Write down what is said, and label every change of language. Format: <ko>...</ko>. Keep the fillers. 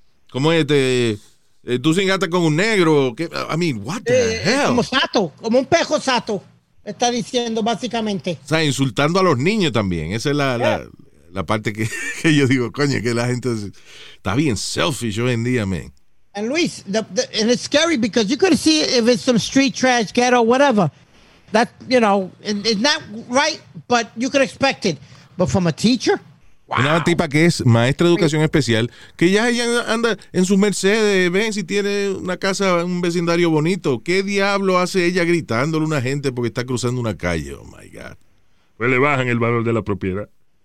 <es>¿Cómo es? Este? eh, tú engatas con un negro. que,</es> <en>I mean, what the eh, hell?</en> <es>Como sato, como un pejo sato, está diciendo básicamente. O sea, insultando a los niños también. Esa es la, yeah. la, la, parte que, que yo digo, coño, que la gente está bien selfish hoy en día,</es> <en>man. And Luis, the, the, and it's scary because you could see if it's some street trash, ghetto, whatever. That, you know, it's not right, but you could expect it. But from a teacher?</en> <es>Una wow. tipa que es maestra de educación especial, que ya ella anda en su Mercedes, ven si tiene una casa, un vecindario bonito. ¿Qué diablo hace ella gritándole a una gente porque está cruzando una calle?</es> <en>Oh my God.</en> <es>Pues le bajan el valor de la propiedad.</es>